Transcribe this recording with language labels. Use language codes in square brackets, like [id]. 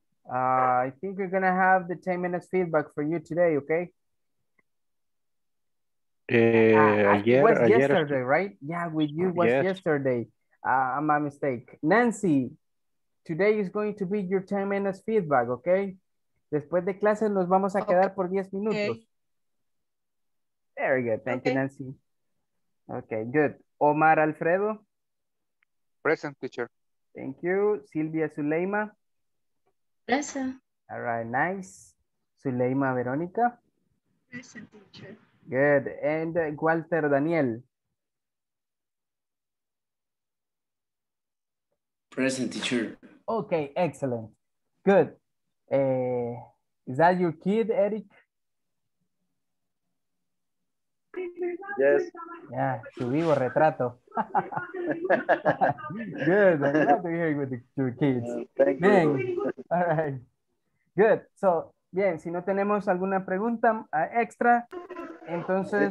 [en] I think we're going to have the 10 minutes feedback for you today, okay? Yesterday, right? Yeah, with you was yesterday. My mistake. Nancy, today is going to be your 10 minutes feedback, okay? [es] Después de clase nos vamos a quedar por 10 minutos. [en] Okay. Very good. Thank you, Nancy. Okay, good. Omar Alfredo. Present, teacher. Thank you. Silvia Zuleima. Present. All right, nice. Zuleima Verónica. Present, teacher. Good. And Walter Daniel. Present, teacher. Okay, excellent. Good. Is that your kid, Eric? Yes. [es] Yeah, su vivo retrato. [en] Good, I'm glad to hear with the two kids. Thank you. All right, good. [es] So, bien, si no tenemos alguna pregunta extra, entonces.